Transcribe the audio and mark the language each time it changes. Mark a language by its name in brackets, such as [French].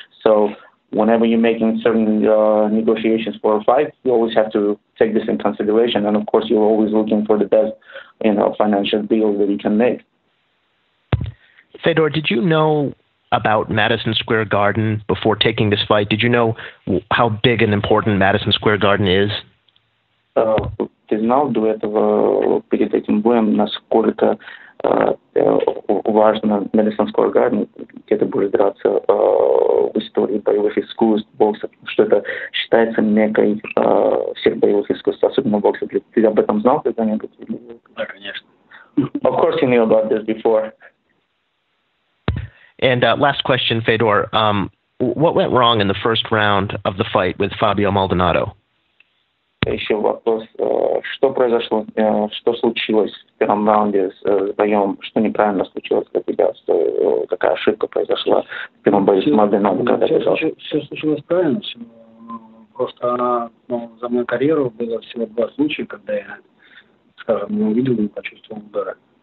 [English] So whenever you're making certain negotiations for a fight, you always have to take this in consideration. And, of course, you're always looking for the best, you know, financial deal that you can make. Fedor, did you know about Madison Square Garden before taking this fight? Did you know how big and important Madison Square Garden is? [Russian] Ты знал до этого перед этим боем, насколько важно Madison Square Garden, где ты будешь драться в истории боевых искусств, бокса, что это считается меккой всех боевых искусств, особенно бокса. Ты об этом знал когда-нибудь? Да, конечно. [English] Of course you knew about this before. And last question, Fedor. What went wrong in the first round of the fight with Fabio Maldonado? [Russian] Еще вопрос. Что произошло? Что случилось в первом раунде с боем? Что неправильно случилось для тебя? Какая ошибка произошла в первом бою с Maldonado? Все случилось правильно. Просто за мою карьеру было всего два случая, когда я, скажем, не увидел и не почувствовал удара.